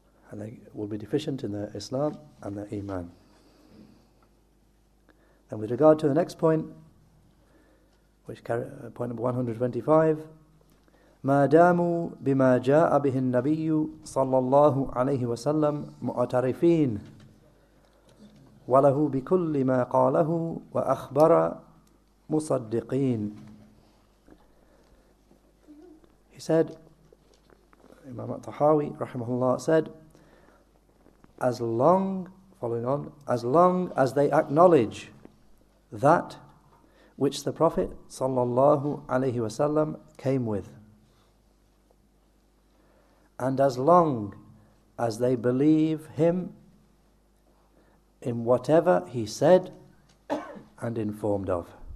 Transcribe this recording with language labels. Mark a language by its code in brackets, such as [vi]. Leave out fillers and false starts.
[en] And they will be deficient in their Islam and their Iman. And with regard to the next point, which carry, point number 125, [ar] مَا دَامُوا بِمَا جَاءَ بِهِ النَّبِيُّ صَلَّى اللَّهُ عَلَيْهِ وَسَلَّمْ مُعْتَرِفِينَ. وله بكل ما قاله وأخبر مصدقين. [en] He said, Imam al-Tahawi, rahimahullah, said, as long, following on, as long as they acknowledge that which the Prophet sallallahu alayhi wasallam came with, and as long as they believe him in whatever he said and informed of.